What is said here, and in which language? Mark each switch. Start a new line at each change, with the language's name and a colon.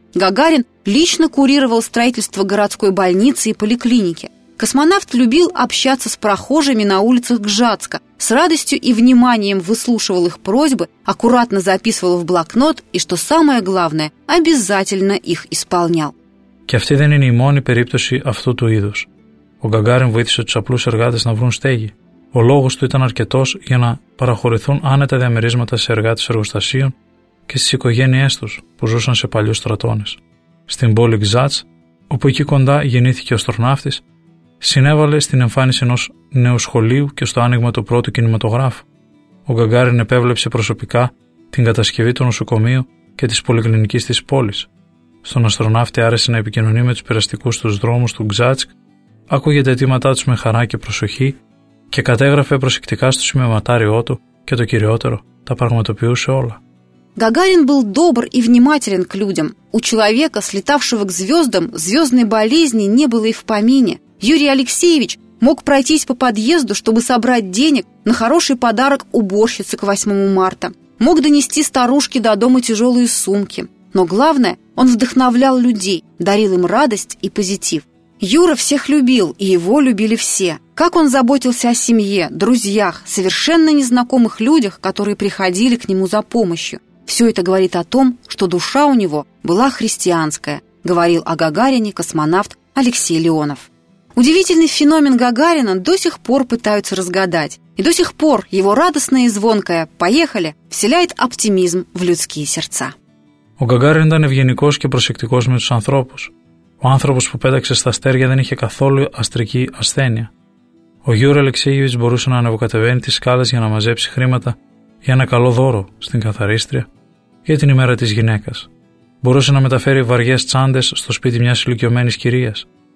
Russian: Гагарин лично курировал строительство городской больницы и поликлиники. Космонавт любил общаться с прохожими на улицах Гжатска, с радостью и вниманием выслушивал их просьбы, аккуратно записывал в блокнот и, что самое главное, обязательно их исполнял.
Greek: Και αυτή δεν είναι η μόνη περίπτωση αυτού του είδους. Ο Γκαγκάριν βοήθησε τους απλούς εργάτες να βρουν στέγη. Ο λόγος του ήταν αρκετός για να παραχωρηθούν άνετα διαμερίσματα σε εργάτες εργοστασίων και στις οικογένειές τους που ζούσαν σε παλιούς στρατώνες. Στην πόλη Γζάτς, όπου εκεί κοντά γεννήθηκε ο αστροναύτης, συνέβαλε στην εμφάνιση ενός νέου σχολείου και στο άνοιγμα του πρώτου κινηματογράφου. Ο Γκαγκάριν επέβλεψε προσωπικά την κατασκευή του νοσοκομείου και της πολυκλινικής της πόλης. Στον αστροναύτη άρεσε να επικοινωνεί με τους περαστικούς στους δρόμους του Γζάτσκ. Άκουγε τα αιτήματά τους με χαρά και προσοχή και κατέγραφε προσεκτικά στο σημειωματάριό του και το κυριότερο, τα πραγματοποιούσε όλα.
Russian: Гагарин был добр и внимателен к людям. У человека, слетавшего к звездам, звездной болезни не было и в помине. Юрий Алексеевич мог пройтись по подъезду, чтобы собрать денег на хороший подарок уборщице к 8 марта. Мог донести старушке до дома тяжелые сумки. Но главное, он вдохновлял людей, дарил им радость и позитив. Юра всех любил, и его любили все. Как он заботился о семье, друзьях, совершенно незнакомых людях, которые приходили к нему за помощью. Все это говорит о том, что душа у него была христианская, говорил о Гагарине космонавт Алексей Леонов. Удивительный феномен Гагарина до сих пор пытаются разгадать. И до сих пор его радостное и звонкое «Поехали!» вселяет оптимизм в людские сердца. У Гагарина был
Greek: евгеникос и просектикос
Russian: между
Greek: ανθρώπους. Ο άνθρωπος που πέταξε στα αστέρια δεν είχε καθόλου αστρική ασθένεια. Ο Γιούρι Αλεξίγιβιτς μπορούσε να ανεβοκατεβαίνει τις σκάλες για να μαζέψει χρήματα για ένα καλό δώρο στην καθαρίστρια για την ημέρα της γυναίκας. Μπορούσε να μεταφέρει βαριές τσάντες στο σπίτι μιας ηλικιωμένης κυρίας.